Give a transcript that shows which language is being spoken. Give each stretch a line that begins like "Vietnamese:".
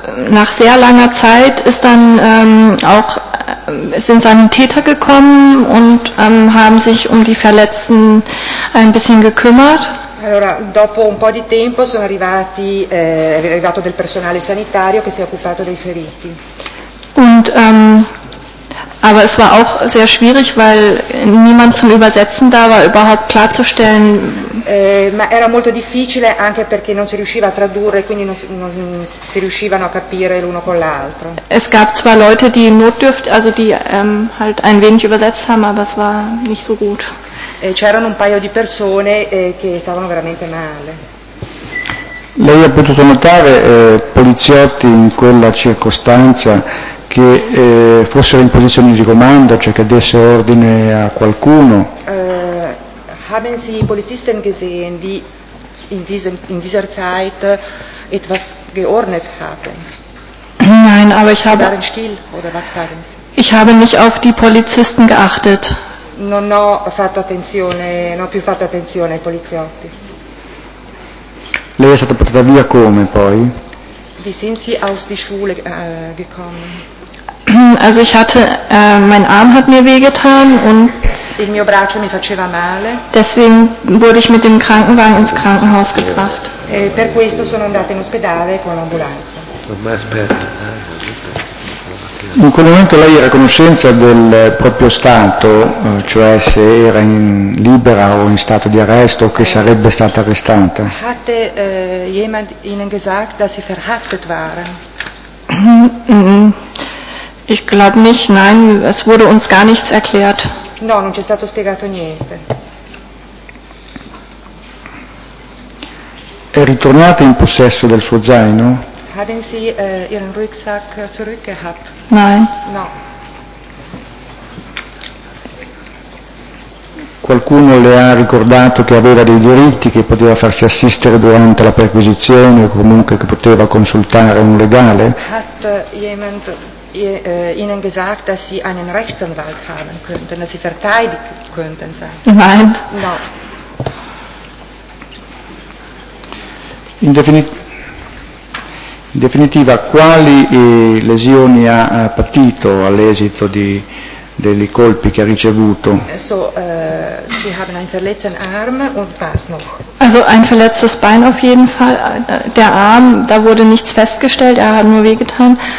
German: Nach sehr langer Zeit ist dann auch sind seine Täter gekommen und haben sich um die Verletzten ein bisschen gekümmert.
Italian: Allora, dopo un po' di tempo sono arrivati arrivato del personale sanitario che si è occupato dei feriti.
German: Und aber es war auch sehr schwierig, weil niemand zum Übersetzen da war, überhaupt klarzustellen.
Italian: Ma era molto difficile anche perché non si riusciva a tradurre, quindi non si riuscivano a capire l'uno con l'altro.
German: Es gab zwar Leute, die notdürftig, also die halt ein wenig übersetzt haben, aber es war nicht so gut.
Italian: C'erano un paio di persone che stavano veramente male. Lei ha potuto notare poliziotti in quella circostanza che fossero in posizione di comando, cioè che desse ordine a qualcuno?
German: Haben Sie Polizisten gesehen, die in dieser Zeit etwas geordnet haben. Nein, aber ich habe. Still, oder was sagen Sie? Ich habe nicht auf die Polizisten geachtet.
Italian: Non ho fatto attenzione, non ho più fatto attenzione ai poliziotti. Lei è stata portata via come poi?
German: Wie sind Sie aus die Schule gekommen? Also ich hatte, mein Arm hat mir wehgetan und
Italian: il mio braccio mi faceva male.
German: Deswegen wurde ich mit dem Krankenwagen ins Krankenhaus gebracht.
Italian: E per questo sono andata in ospedale con l'ambulanza. Ma aspetta. In quel momento lei era a conoscenza del proprio stato, cioè se era in libera o in stato di arresto o che sarebbe stata arrestata?
German: Hatte jemand Ihnen gesagt, dass Sie verhaftet waren? Ich glaube nicht, nein, es wurde uns gar nichts erklärt.
Italian: No, non c'è stato spiegato niente. È ritornata in possesso del suo zaino?
German: Haben Sie Ihren Rucksack zurückgehabt? Nein.
Italian: No. Qualcuno le ha ricordato che aveva dei diritti, che poteva farsi assistere durante la perquisizione o comunque che poteva consultare un legale?
German: Hat jemand Ihnen gesagt, dass Sie einen Rechtsanwalt haben könnten, dass Sie verteidigen könnten? Nein.
Italian: No. In definitiva, quali lesioni ha patito all'esito dei colpi che ha ricevuto?
German: So, Sie haben einen verletzten Arm und was noch? Also ein verletztes Bein auf jeden Fall. Der Arm, da wurde nichts festgestellt, er hat nur wehgetan.